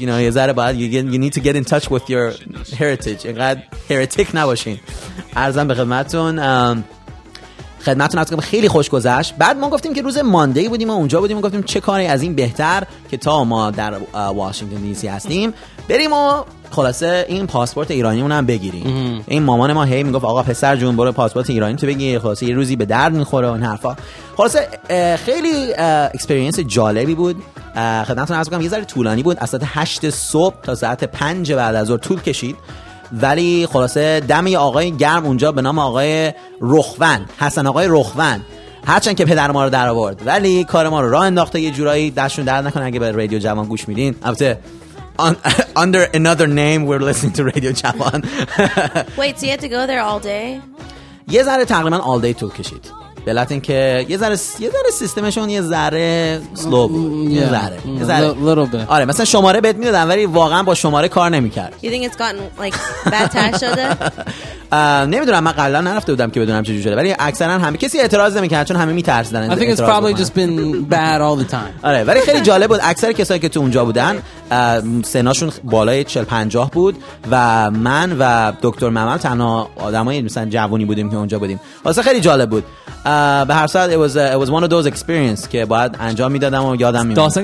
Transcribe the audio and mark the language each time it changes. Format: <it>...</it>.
<en>You know, you</en> <fa>زره باید</fa> <en>you need to get in touch with your heritage.</en> <fa>اینقدر heretic نباشین. عرضم به خدمتتون. خدمتتون عرض کنم خیلی خوش گذشت. بعد ما گفتیم که روز ماندی بودیم و اونجا بودیم و گفتیم چه کاری از این بهتر که تا ما در واشنگتن دی سی هستیم بریم و خلاصه این پاسپورت ایرانیمون هم بگیریم. این مامان ما هی میگفت آقا پسر جون برو پاسپورت ایرانی تو بگیر، خلاصه یه روزی به درد میخوره و این حرفا. خلاصه خیلی اکسپریانس جالبی بود. خدمتتون عرض کنم یه ذره طولانی بود، از ساعت 8 صبح تا ساعت 5 بعد از ظهر طول کشید، ولی خلاصه دم آقای گرم اونجا به نام آقای رخوان، حسن آقای رخوان، هرچند که پدر ما رو در آورد ولی کار ما رو راه انداخته یه جورایی. دستشون درد نکنه اگه به رادیو جوان گوش میدین، البته</fa> <en>under another name we're listening to radio جوان. Wait, so you had to go there all day?</en> <fa>یه ذره تقریبا</fa> <en>all day</en> <fa>طول کشید. به لاتین که یه ذره سیستمشون یه ذره سلو بود.</fa> <en>Yeah, a little bit.</en> <fa>آره مثلا شماره بهت میدادن ولی واقعا با شماره کار نمیکرد.</fa> <en>You think it's gotten like better شده؟</en> <fa>نمیدونم من قبلا نرفته بودم که بدونم چجوری شده ولی اکثرا همه کسی اعتراض نمیکرد چون همه میترسیدن.</fa> <en>I think it's probably just been bad all the time.</en> <fa>آره ولی خیلی جالب بود اکثر کسایی که تو اونجا بودن سناشون بالای 40-50 بود و من و دکتر ممل تنها آدمای مثلا جوونی بودیم که اونجا بودیم. واسه خیلی جالب بود. به هر صورت</fa> <en>it was one of those experience</en> <fa>که باید انجام میدادم و یادم میمونه.</fa>